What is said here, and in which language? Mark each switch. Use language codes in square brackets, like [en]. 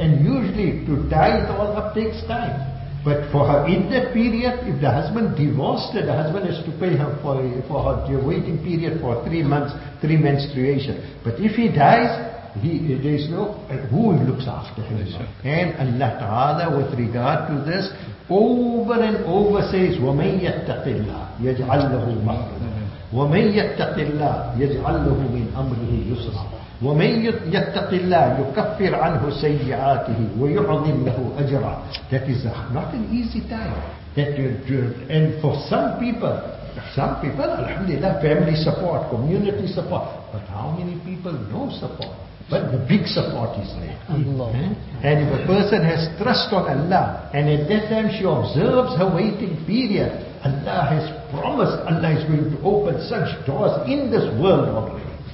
[en] And usually to die it all up takes time. But for her, in that period, if the husband divorced her, the husband has to pay her for her waiting period for 3 months, three menstruation. But if he dies, there is no, who looks after him? Yes, and Allah Ta'ala, with regard to this, over and over says, [ar] وَمَنْ يَتَّقِ اللَّهِ يَجْعَلْ لَهُ مَخْرَجًا وَمَنْ يَتَّقِ اللَّهِ يَجْعَلْ لَهُ مِنْ أَمْرِهِ يُسْرًا وَمَنْ يَتَّقِ اللَّهِ يُكَفِّرْ عَنْهُ سَيِّعَاتِهِ وَيُعْظِمْ لَهُ أَجْرًا. [en] That is not an easy time. That and for some people, alhamdulillah, family support, community support. But how many people know support? But the big support is there. And if a person has trust on Allah, and at that time she observes her waiting period, Allah has promised, Allah is going to open such doors in this world already.